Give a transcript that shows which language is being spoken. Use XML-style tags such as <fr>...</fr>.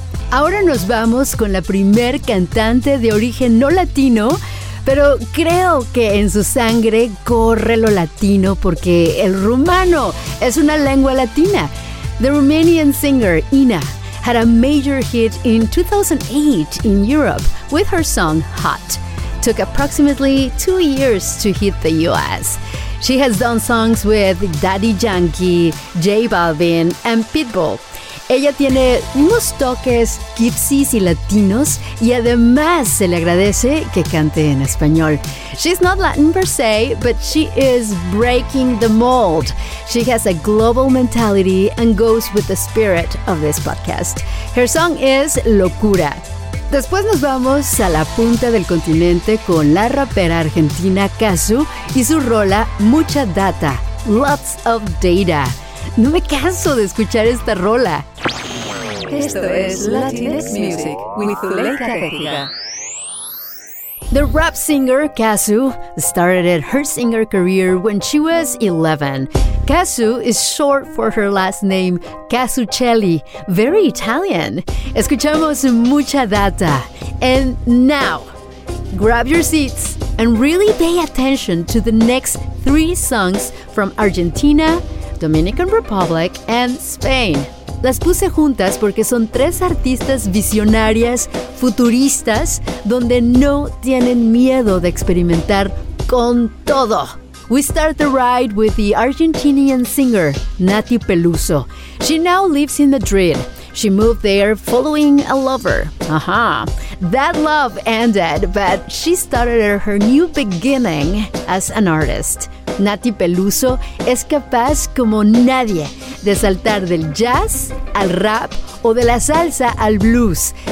<es>Ahora nos vamos con la primer cantante de origen no latino, pero creo que en su sangre corre lo latino porque el rumano es una lengua latina.</es> <en>The Romanian singer Ina had a major hit in 2008 in Europe with her song Hot. Took approximately 2 years to hit the US. She has done songs with Daddy Yankee, J Balvin, and Pitbull.</en> <es>Ella tiene unos toques gypsies y latinos, y además se le agradece que cante en español.</es> <en>She's not Latin per se, but she is breaking the mold. She has a global mentality and goes with the spirit of this podcast. Her song is</en> <es>Locura. Después nos vamos a la punta del continente con la rapera argentina Cazzu y su rola Mucha Data,</es> <en>Lots of Data.</en> <es>No me canso de escuchar esta rola. Esto es Latinx Music with Zuleika Tejida.</es> <en>The rap singer Cazzu started her singer career when she was 11. Cazzu is short for her last name, Cazzucelli, very Italian.</en> <es>Escuchamos Mucha Data.</es> <en>And now, grab your seats and really pay attention to the next three songs from Argentina, Dominican Republic, and Spain.</en> <es>Las puse juntas porque son tres artistas visionarias, futuristas, donde no tienen miedo de experimentar con todo.</es> <en>We start the ride with the Argentinian singer, Nati Peluso. She now lives in Madrid. She moved there following a lover. Aha. That love ended, but she started her new beginning as an artist.</en> <es>Nati Peluso es capaz como nadie de saltar del jazz al rap o de la salsa al blues.</es>